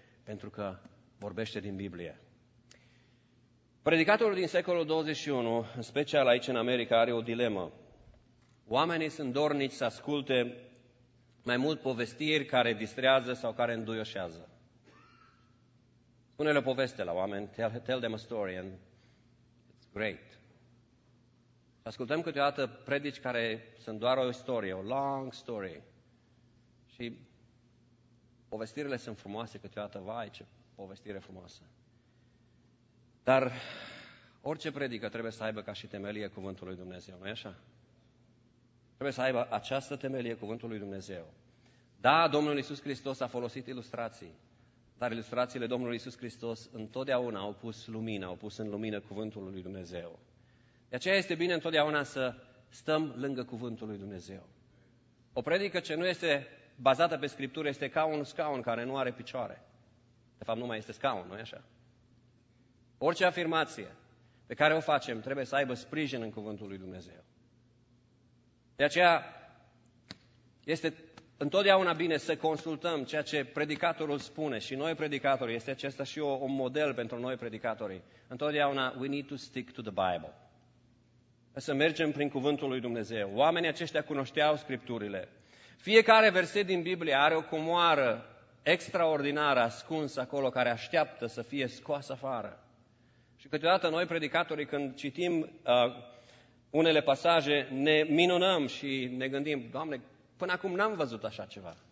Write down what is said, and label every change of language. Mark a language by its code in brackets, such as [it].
[ro] Pentru că vorbește din Biblie. Predicatorul din secolul 21, în special aici în America, are o dilemă. Oamenii sunt dornici să asculte mai mult povestiri care distrează sau care înduioșează. Spune-le o poveste la oameni, [en] tell them a story and it's great. [ro] Ascultăm câteodată predici care sunt doar o istorie, o [en] long story. [ro] Și povestirile sunt frumoase câteodată, vai ce povestire frumoasă. Dar orice predică trebuie să aibă ca și temelie cuvântul lui Dumnezeu, nu-i așa? Trebuie să aibă această temelie cuvântul lui Dumnezeu. Da, Domnul Iisus Hristos a folosit ilustrații, dar ilustrațiile Domnului Iisus Hristos întotdeauna au pus lumină, au pus în lumină cuvântul lui Dumnezeu. De aceea este bine întotdeauna să stăm lângă cuvântul lui Dumnezeu. O predică ce nu este bazată pe Scriptură este ca un scaun care nu are picioare. De fapt, nu mai este scaun, nu-i așa? Orice afirmație pe care o facem trebuie să aibă sprijin în cuvântul lui Dumnezeu. De aceea este întotdeauna bine să consultăm ceea ce predicatorul spune și noi predicatorii, este acesta și un model pentru noi predicatorii. [en] Întotdeauna we need to stick to the Bible. [ro] Să mergem prin cuvântul lui Dumnezeu. Oamenii aceștia cunoșteau Scripturile. Fiecare verset din Biblie are o comoară extraordinară ascunsă acolo care așteaptă să fie scoasă afară. Și câteodată noi predicatorii când citim unele pasaje ne minunăm și ne gândim, Doamne, până acum n-am văzut așa ceva.